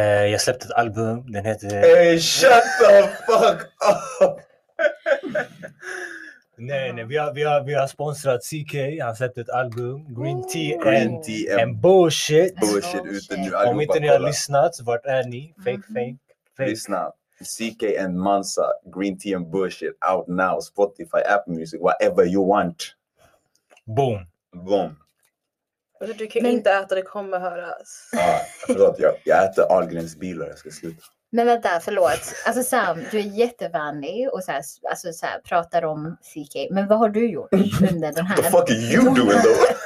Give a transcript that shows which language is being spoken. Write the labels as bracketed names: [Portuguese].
[Swedish] Jag släppte ett album. Den heter... [English] Hey, shut the fuck up! [Swedish] Nej, vi har sponsrat CK. Han släppte ett album. [English] Green Tea and Bullshit. [Swedish] Bullshit ute nu. Om inte ni har lyssnat, vart är ni? [English] Fake. [Swedish] Lyssna. [English] CK and Mansa, Green Tea and Bullshit, out now, Spotify, Apple Music, whatever you want. Boom. [Swedish] Alltså, du kan inte äta, det kommer höras. Förlåt, jag äter Algrens bilar, jag ska sluta. Men vänta, förlåt. Alltså Sam, du är jättevänlig och så här, pratar om CK. Men vad har du gjort under den här? [English] What the fuck are you doing though?